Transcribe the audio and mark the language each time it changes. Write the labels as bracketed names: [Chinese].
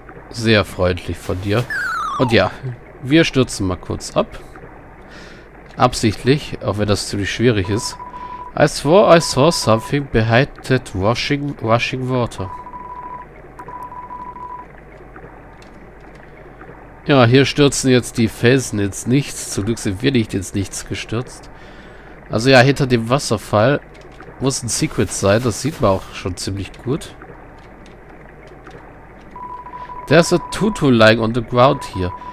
[German] Sehr freundlich von dir. Und ja, wir stürzen mal kurz ab. Absichtlich, auch wenn das ziemlich schwierig ist. [English] I swore I saw something behind that rushing water. [German] Ja, hier stürzen jetzt die Felsen ins Nichts. Zum Glück sind wir nicht ins Nichts gestürzt. Also ja, hinter dem Wasserfall muss ein Secret sein. Das sieht man auch schon ziemlich gut. [English] There's a tutu lying on the ground here.